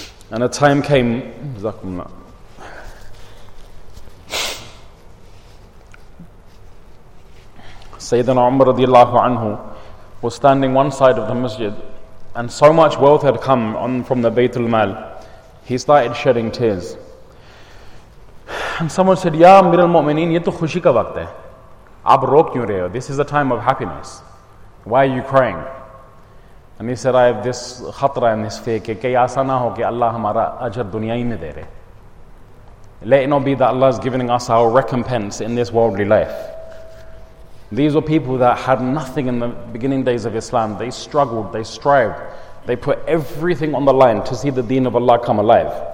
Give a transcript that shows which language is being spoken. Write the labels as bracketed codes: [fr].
[en] And a time came, Sayyidina Umar radiallahu anhu was standing one side of the masjid, and so much wealth had come on from the Baytul Mal, he started shedding tears. And someone said, [ur] Ya Amir al-Mu'mineen, یہ تو خوشی کا وقت ہے۔ آپ رو کیوں رہے ہو؟ [en] This is a time of happiness. Why are you crying? And he said, I have this [ur] خطرہ [en] and this fear [ur] کے کئی ایسا نہ ہو کے اللہ ہمارا اجر دنیائی میں دے رہے۔ [en] Let it not be that Allah is giving us our recompense in this worldly life. These were people that had nothing in the beginning days of Islam. They struggled, they strived, they put everything on the line to see the deen of Allah come alive.